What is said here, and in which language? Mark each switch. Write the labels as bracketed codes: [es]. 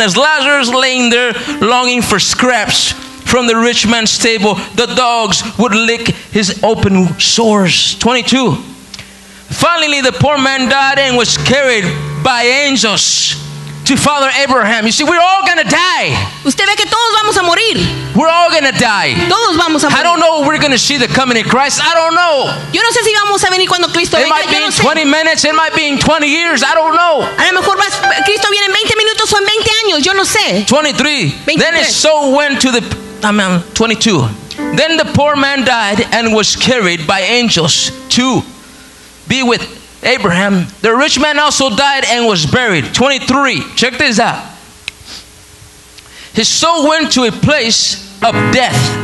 [en] As Lazarus lay there longing for scraps from the rich man's table, the dogs would lick his open sores. 22. Finally, the poor man died and was carried by angels to Father Abraham. You see, we're all gonna die. [es] Usted ve que todos vamos a morir. We're all gonna die. Todos vamos a morir. [en] I don't know if we're gonna see the coming of Christ. I don't know. [es] Yo no sé si vamos a venir cuando Cristo venga. It might be in 20 minutes. It might be in 20 years. I don't know. A lo mejor Cristo viene en 20 minutos o en 20 años. Yo no sé. [en] 23. Then his soul went to the. 22. Then the poor man died and was carried by angels to be with Abraham. The rich man also died and was buried. 23. Check this out. His soul went to a place of death.